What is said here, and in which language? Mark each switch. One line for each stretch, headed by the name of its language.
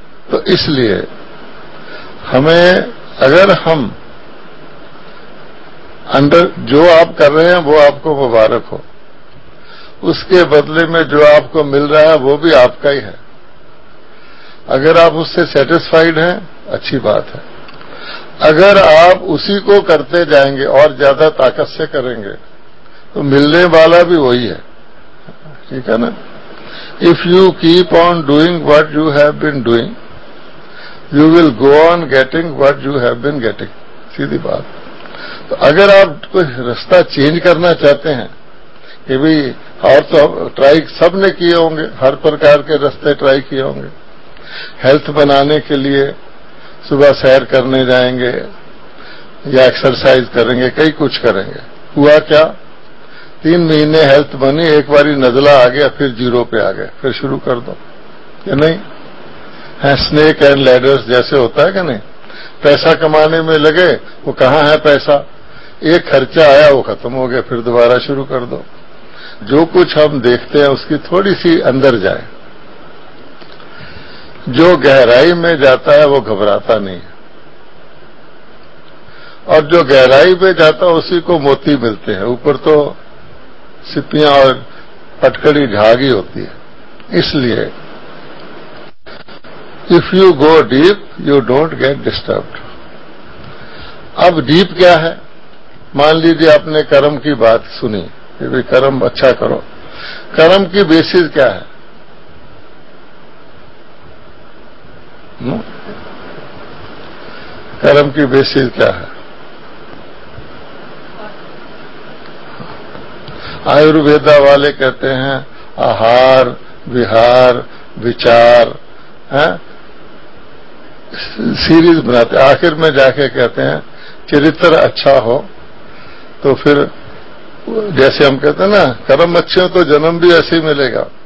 Urdu: تو اس لیے ہمیں, اگر ہم انڈر جو آپ کر رہے ہیں وہ آپ کو مبارک ہو, اس کے بدلے میں جو آپ کو مل رہا ہے وہ بھی آپ کا ہی ہے, اگر آپ اس سے سیٹسفائیڈ ہیں اچھی بات ہے. اگر آپ اسی کو کرتے جائیں گے اور زیادہ طاقت سے کریں گے تو ملنے والا بھی وہی ہے, ٹھیک ہے نا.
English: If you keep on doing what you have been doing, you will go on getting what you have been getting.
Urdu: سیدھی بات. تو اگر آپ کوئی رستہ چینج کرنا چاہتے ہیں کہ بھائی, اور تو ٹرائی سب نے کیے ہوں گے, ہر پرکار کے رستے ٹرائی کیے ہوں گے, ہیلتھ بنانے کے لیے صبح سیر کرنے جائیں گے یا ایکسرسائز کریں گے, کئی کچھ کریں گے, ہوا کیا, 3 مہینے ہیلتھ بنی, ایک باری نزلہ آ گیا, پھر زیرو پہ آ گیا, پھر شروع کر دو کہ نہیں. ہیں سنیک اینڈ لیڈرز جیسے ہوتا ہے کہ نہیں, پیسہ کمانے میں لگے وہ کہاں ہے پیسہ, ایک خرچہ آیا وہ ختم ہو گیا, پھر دوبارہ شروع کر دو. جو کچھ ہم دیکھتے ہیں اس کی تھوڑی سی اندر جائے, جو گہرائی میں جاتا ہے وہ گھبراتا نہیں ہے, اور جو گہرائی میں جاتا ہے اسی کو موتی ملتے ہیں, اوپر تو سپیاں اور پٹکڑی جھاگ ہی ہوتی ہے. اس لیے
English: If you go deep, you don't get disturbed.
Urdu: اب ڈیپ کیا ہے, مان لیجیے آپ نے کرم کی بات سنی کہ بھائی کرم اچھا کرو, کرم کی بیسز کیا ہے, کرم کی بیسز کیا ہے, آیورویدا والے کہتے ہیں آہار وہار وچار, سیریز بناتے, آخر میں جا کے کہتے ہیں چرتر اچھا ہو تو پھر, جیسے ہم کہتے ہیں نا کرم اچھے ہو تو جنم بھی ایسے ہی ملے گا.